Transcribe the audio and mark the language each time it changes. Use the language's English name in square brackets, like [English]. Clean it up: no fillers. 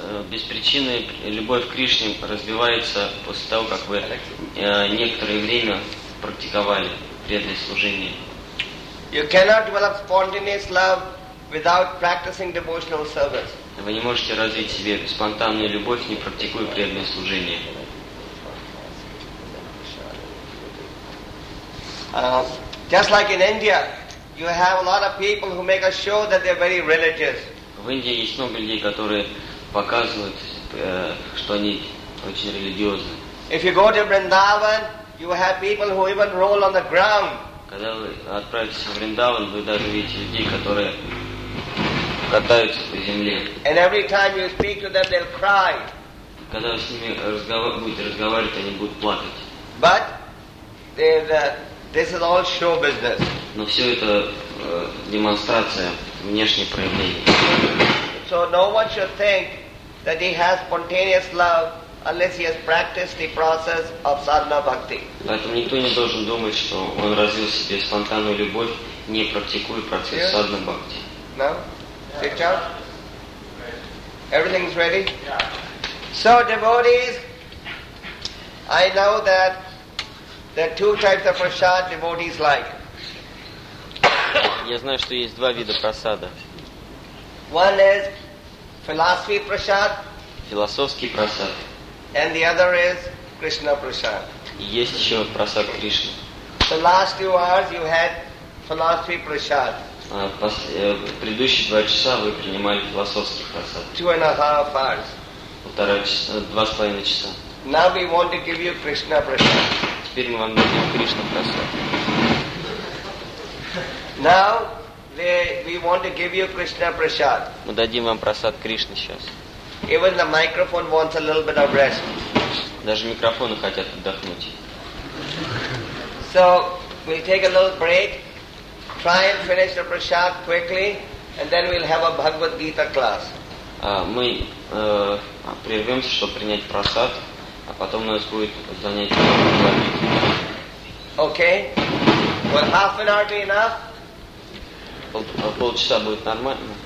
[Russian] Беспричинная любовь к Кришне развивается после того, как вы некоторое время практиковали преданное служение. [English] You cannot develop spontaneous love without practicing devotional service. [Russian] Вы не можете развить себе спонтанную любовь, не практикуя преданное служение. [English] Just like in India, you have a lot of people who make a show that they're very religious. [Russian] В Индии есть много людей, которые показывают, что они очень религиозны. [English] If you go to Vrindavan, you have people who even roll on the ground. [Russian] Когда вы отправитесь в Вриндаван, вы даже видите людей, которые катаются по земле. [English] And every time you speak to them, they'll cry. [Russian] Когда вы с ними будете разговаривать, они будут плакать. [English] But this is all show business. [Russian] Но все это демонстрация, внешнее проявление. [English] So no one should think that he has spontaneous love unless he has practiced the process of sadhana bhakti. [Russian] Поэтому никто не должен думать, что он развил в себе спонтанную любовь, не практикуя процесс садхана бхакти. [English] No? Sit down? Everything's ready? Yeah. So devotees, I know that there are two types of prasad devotees like. [Russian] Я знаю, что есть два вида прасада. [English] One is philosophy prasad. [Russian] Философский прасад. [English] And the other is Krishna prasad. [Russian] Есть еще прасад Кришны. [English] The last 2 hours you had philosophy prasad. [Russian] Предыдущие 2 часа вы принимали философский прасад. [English] 2.5 hours. [Russian] Полтора часа, 2.5 часа. [English] Now we want to give you Krishna prasad. [Russian] Теперь мы вам дадим Кришна прасад. [English] Now we want to give you Krishna prasad. [Russian] Мы дадим вам прасад Кришны сейчас. [English] Even the microphone wants a little bit of rest. [Russian] Даже микрофоны хотят отдохнуть. [English] So we'll take a little break, try and finish the prasad quickly, and then we'll have a Bhagavad Gita class. [Russian] Мы прервемся, чтобы принять прасад. А потом у нас будет занятие. [English] Okay. Will half an hour be enough? [Russian] Полчаса будет нормально.